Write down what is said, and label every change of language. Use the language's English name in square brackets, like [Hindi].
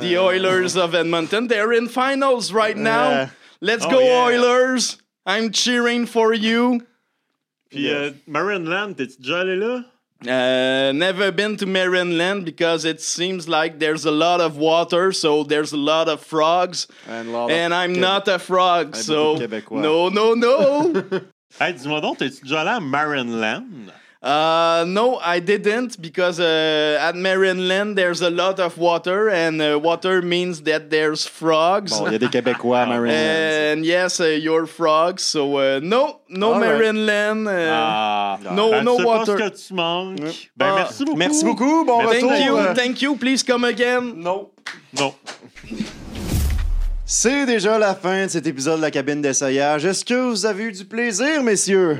[English] The Oilers of Edmonton. They're in finals right now. Let's go, yeah. Oilers. I'm cheering for you. [French] Puis yes. Marineland, t'es-tu déjà allé là? [English] Never been to Marineland because it seems like there's a lot of water, so there's a lot of frogs. Not a frog, and so... [French] Québécois. [English] No. [French] Hey, dis-moi donc, t'es-tu déjà allé à Marineland? [English] No, I didn't, because at Marin Land, there's a lot of water, and water means that there's frogs. [French] Bon, il y a des Québécois à Marin Land. [English] And yes, you're frogs, so no Marin Land, no water. [French] Ben, c'est pas ce que tu manques. Yep. Ben, merci beaucoup. Merci beaucoup, bon retour. [English] Thank you, please come again. No. [French] C'est déjà la fin de cet épisode de la cabine d'essayage. Est-ce que vous avez eu du plaisir, messieurs?